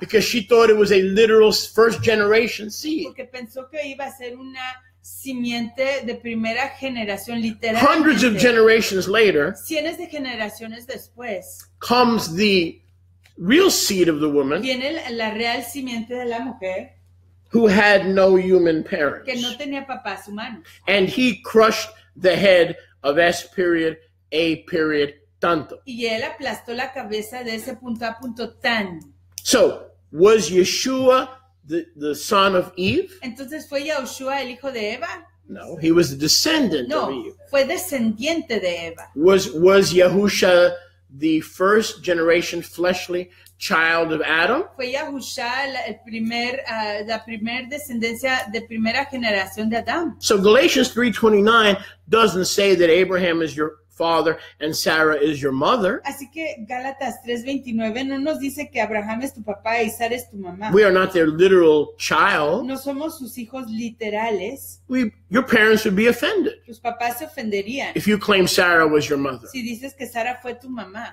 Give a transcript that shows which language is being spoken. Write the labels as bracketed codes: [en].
[en] Because she thought it was a literal first generation seed. [es] Porque pensó que iba a ser una simiente de primera generación, literalmente. [en] Hundreds of generations later, [es] cientos de generaciones después, [en] comes the real seed of the woman, [es] viene la real simiente de la mujer, [en] who had no human parents, [es] que no tenía papás humanos, [en] and he crushed the head of S period A period tanto, [es] y él aplastó la cabeza de ese punto a punto tan. [en] So was Yeshua the son of Eve? [es] Entonces, ¿fue Yahushua el hijo de Eva? [en] No, he was the descendant [es] no, [en] of Eve. [es] Fue descendiente de Eva. [en] Was Yahushua the first generation fleshly child of Adam? [es] ¿Fue Yahushua la primer descendencia de primera generación de Adam? [en] So Galatians 3:29 doesn't say that Abraham is your father and Sarah is your mother. [es] Así que Gálatas 3:29 no nos dice que Abraham es tu papá y Sara es tu mamá. [en] We are not their literal child. [es] No somos sus hijos literales. [en] Your parents would be offended. [es] Tus papás se ofenderían. [en] If you claim Sarah was your mother. [es] Si dices que Sara fue tu mamá.